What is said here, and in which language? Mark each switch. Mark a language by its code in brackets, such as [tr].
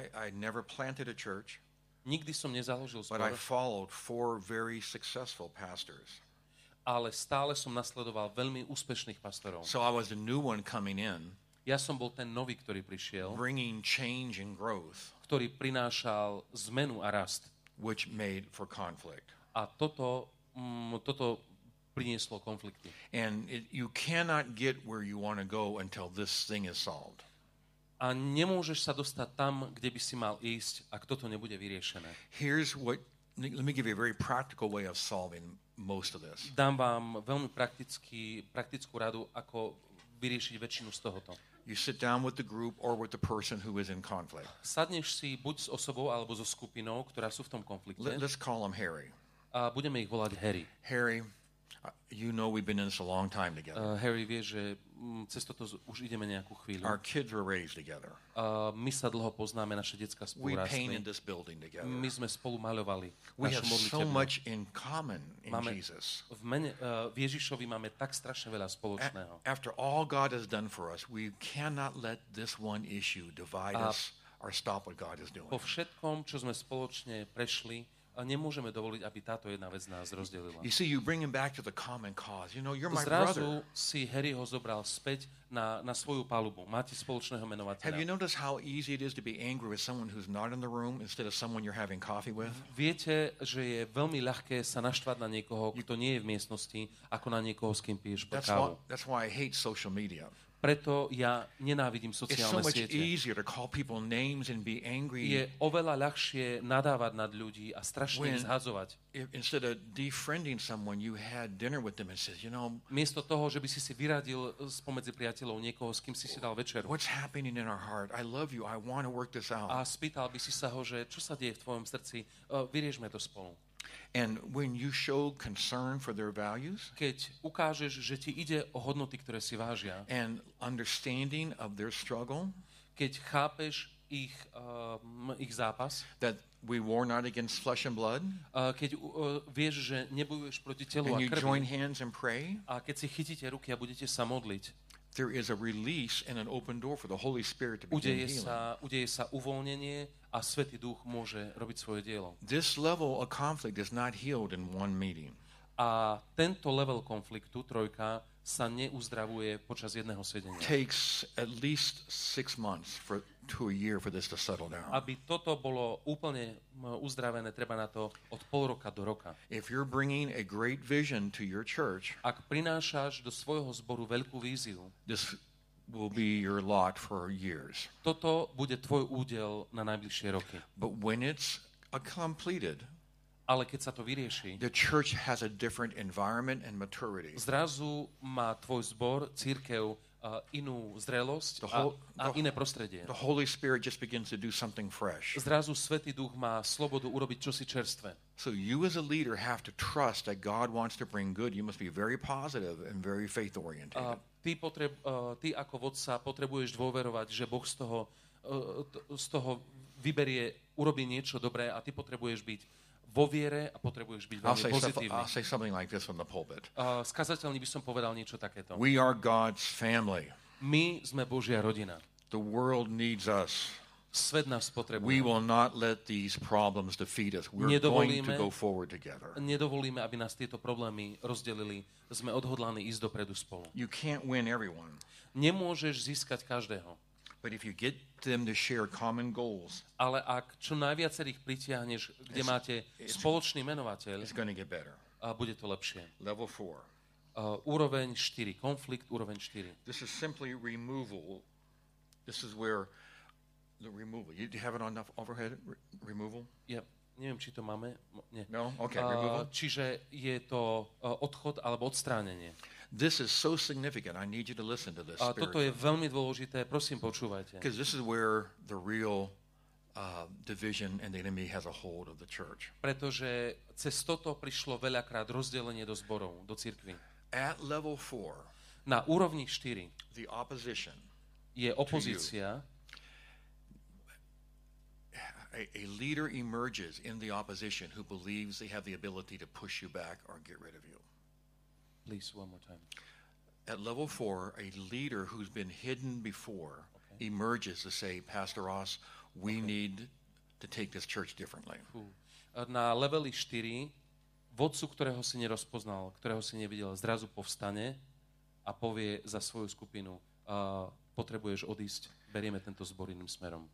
[en] I never planted a church. [sk] Nikdy som nezaložil zbor. [en] But I followed 4 very successful pastors. [sk] Ale stále som nasledoval veľmi úspešných pastorov. [en] So I was the new one coming in. [sk] Ja som bol ten nový, ktorý prišiel. [en] Bringing change and growth. [sk] Ktorý prinášal zmenu a rast. [en] which made for conflict. [sk] A toto, toto prinieslo konflikty. [en] And it, you cannot get where you want to go until this thing is solved. [sk] A nemôžeš sa dostať tam, kde by si mal ísť, ak toto nebude vyriešené. [en] Here's what, let me give you a very practical way of solving most of this. [sk] Dám vám veľmi praktickú radu, ako vyriešiť väčšinu z tohoto. [en] You sit down with the group or with the person who is in conflict. [sk] Sadneš si buď s osobou alebo so skupinou, ktorá sú v tom konflikte. [en] Let's call him Harry. [sk] A budeme ich volať Harry. [en] Harry, you know we've been in this a long time together. [sk] Harry vie, že cez toto už ideme nejakú chvíľu. [en] Our kids were raised together. [sk] My sa dlho poznáme, naše decka spolu rastli. [en] We painted this building together. [sk] My sme spolu maľovali našu modlitebnú. [en] We have so much in common in Jesus. [sk] V Ježišovi máme tak strašne veľa spoločného. [en] After all God has done for us, we cannot let this one issue divide us or stop what God is doing. [sk] Po všetkom, čo sme spoločne prešli, a nemôžeme dovoliť, aby táto jedna vec nás rozdelila. [en] You see, you bring him back to the common cause. You know, you're my brother. [sk] Zrazu si Harry ho zobral späť na svoju palubu. Máte spoločného menovateľa. [en] Have you noticed how easy it is to be angry with someone who's not in the room instead of someone you're having coffee with? [sk] Viete, že je veľmi ľahké sa naštvať na niekoho, kto nie je v miestnosti, ako na niekoho, s kým piješ po kávu. [en] That's why I hate social media. [sk] Preto ja nenávidím sociálne siete. [en] It's so much easier to call people names and be angry. [sk] Je oveľa ľahšie nadávať nad ľudí a strašne ich zhadzovať. [en] Instead of defriending someone, you had dinner with them and said, you know, [sk] miesto toho, že by si si vyradil spomedzi priateľov niekoho, s kým si si dal večeru. [en] What's happening in our heart? I love you. I want to work this out. [sk] A spýtal by si sa ho, že čo sa deje v tvojom srdci? Vyriešme to spolu. [en] And when you show concern for their values, [sk] keď ukážeš, že ti ide o hodnoty, ktoré si vážia, [en] and understanding of their struggle, [sk] keď chápeš ich ich zápas, [en] that we war not against flesh and blood, [sk] keď vieš, že nebojuješ proti telu a krvi, [en] and you join hands and pray, [sk] a keď si chytíte ruky a budete sa modliť, [en] there is a release and an open door for the Holy Spirit to begin healing. [sk] Udeje sa uvoľnenie a Svätý Duch môže robiť svoje dielo. [en] This level of conflict is not healed in one meeting. [sk] A tento level konfliktu, trojka, sa neuzdravuje počas jedného sedenia. [en] It takes at least 6 months for to a year for this to settle down. [sk] Aby toto bolo úplne uzdravené, treba na to od pol roka do roka. [en] If you're bringing a great vision to your church, [sk] ak prinášaš do svojho zboru veľkú víziu, [en] this will be your lot for years. [sk] Toto bude tvoj údel na najbližšie roky. [en] But when it's completed, [sk] ale keď sa to vyrieši, [en] the church has a different environment and maturity. [sk] Zrazu má tvoj zbor, cirkev, inú zrelosť a iné prostredie. [en] The Holy Spirit just begins to do something fresh. [sk] Zrazu Svätý Duch má slobodu urobiť čosi čerstvé. [en] So you as a leader have to trust that God wants to bring good. You must be very positive and very faith oriented. [sk] Ty ako vodca potrebuješ dôverovať, že Boh z toho vyberie, urobí niečo dobré, a ty potrebuješ byť vo viere a potrebuješ byť veľmi pozitívny. [en] I'll say something like this on the pulpit. [sk] Skazateľne by som povedal niečo takéto. [en] We are God's family. [sk] My sme Božia rodina. [en] The world needs us. [sk] Svet nás potrebuje. [en] We will not let these problems defeat us. We're going to go forward together. [sk] Nedovolíme, aby nás tieto problémy rozdelili. Sme odhodlaní ísť dopredu spolu. [en] You can't win everyone. [sk] Nemôžeš získať každého. [en] But if you get them to share common goals, [sk] ale ak čo najviacerých pritiahneš, kde máte spoločný menovateľ, [en] it's going to get better. [sk] A bude to lepšie. [en] Level 4. [sk] Úroveň 4. Konflikt, úroveň 4. [en] This is simply removal. This is where the removal. You have it on enough overhead removal? Yep. [sk] Neviem, či to máme. Nie. [en] No? Okay, removal? [sk] Čiže je to odchod alebo odstránenie. [en] This is so significant. I need you to listen to this. [sk] A toto je veľmi dôležité. Prosím, počúvajte. [en] Because this is where the real division and the enemy has a hold of the church. [sk] Pretože cez toto prišlo veľakrát rozdelenie do zborov, do cirkvi. [en] At level 4. [sk] Na úrovni 4. [en] The opposition. [sk] Je opozícia. [en] A leader emerges in the opposition who believes they have the ability to push you back or get rid of you. Please, one more time. At level 4, a leader who's been hidden before emerges to say, Pastor Ross, we need to take this church differently. [sk] Na leveli 4, vodcu, ktorého si nerozpoznal, ktorého si nevidel, zrazu povstane a povie za svoju skupinu, potrebuješ odísť, berieme tento zbor iným smerom.